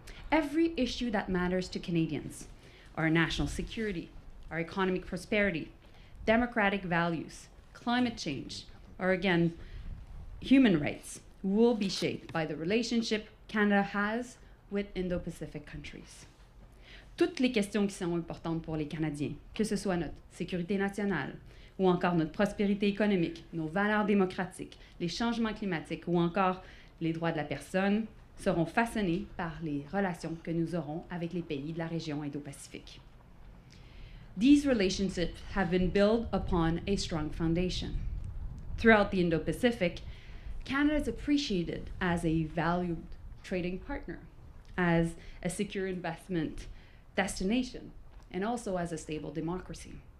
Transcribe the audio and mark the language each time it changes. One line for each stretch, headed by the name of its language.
English: Every issue that matters to Canadians, our national security, our economic prosperity, democratic values, climate change, or again, human rights, will be shaped by the relationship Canada has with Indo-Pacific countries.
French: Toutes les questions qui sont importantes pour les Canadiens, que ce soit notre sécurité nationale, ou encore notre prospérité économique, nos valeurs démocratiques, les changements climatiques, ou encore les droits de la personne, seront façonnées par les relations que nous aurons avec les pays de la région Indo-Pacifique.
English: These relationships have been built upon a strong foundation. Throughout the Indo-Pacific, Canada is appreciated as a valued trading partner, as a secure investment destination, and also as a stable democracy.